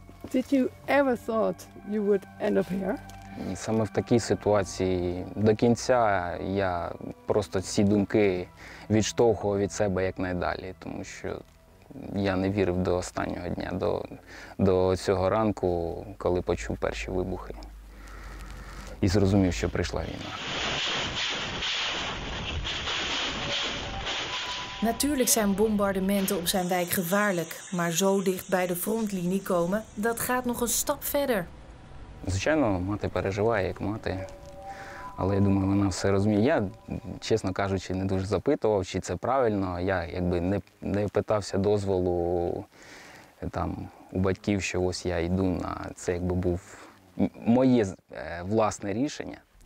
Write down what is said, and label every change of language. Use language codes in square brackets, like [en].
[en] Did you ever thought you would end up here? [uk] Саме в такій ситуації до кінця я просто ці думки відштовхував від себе якнайдалі, тому що я не вірив до останнього дня, до цього ранку, коли почув перші вибухи. і зрозумів, що прийшла війна. [nl] Natuurlijk zijn bombardementen op zijn wijk gevaarlijk, maar zo dicht bij de frontlinie komen, dat gaat nog een stap verder. [uk] Звичайно, мати переживає, як мати. Але я думаю, вона все розуміє. Я, чесно кажучи, не дуже запитував, чи це правильно. Я якби не питався дозволу там у батьків, що ось я йду на це, якби був моє власне рішення.